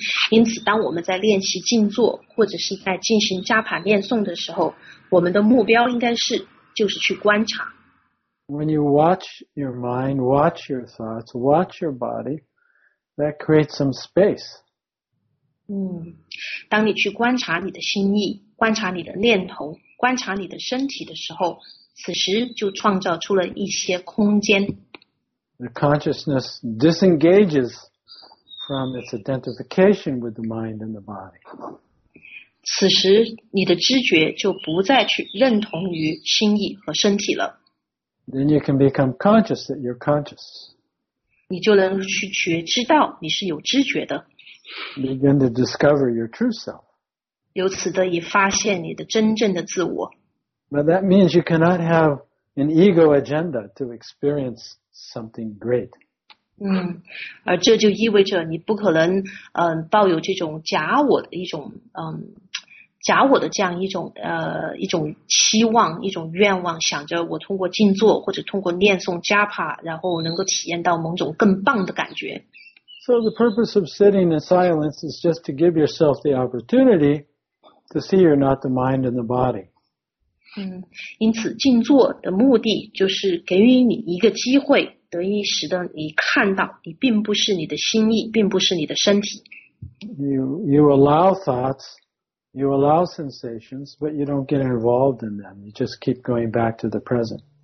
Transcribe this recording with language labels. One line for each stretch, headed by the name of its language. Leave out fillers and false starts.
Chinese: 因此当我们在练习静坐或者是在进行japa念诵的时候，我们的目标应该是就是去观察。
English: When you watch your mind, watch your thoughts, watch your body, that creates some space.
Chinese: 当你去观察你的心意，观察你的念头，观察你的身体的时候，此时就创造出了一些空间。
English: The consciousness disengages from its identification with the mind and the body.
Chinese: 此时你的知觉就不再去认同于心意和身体了。
English: Then you can become conscious that you're conscious.
Chinese: 你就能去觉知到你是有知觉的。
English: Begin to discover your true self.
Chinese: 由此得以发现你的真正的自我。
English: But that means you cannot have an ego agenda to experience something great.
Chinese: 而这就意味着你不可能抱有这种假我的一种假我的这样一种一种期望，一种愿望，想着我通过静坐或者通过念诵 Japa 然后能够体验到某种更棒的感觉。
English: So the purpose of sitting in silence is just to give yourself the opportunity to see you're not the mind and the body.
Chinese: 因此静坐的目的就是给予你一个机会，得以使得你看到你并不是你的心意，并不是你的身体。
English: You allow thoughts, you allow sensations, but you don't get involved in them. You just keep going back to the present.